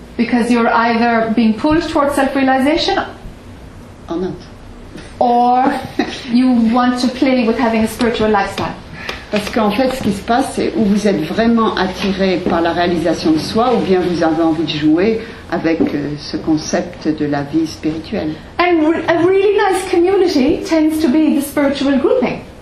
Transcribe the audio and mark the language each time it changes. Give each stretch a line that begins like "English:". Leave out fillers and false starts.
English: Because you're either being pulled towards self-realization, or not, or you want to play with having a spiritual lifestyle.
French: Parce qu'en fait, ce qui se passe, c'est où vous êtes vraiment attiré par la réalisation de soi, ou bien vous avez envie de jouer avec ce concept de la vie spirituelle.
English: And a really nice community tends to be the spiritual grouping.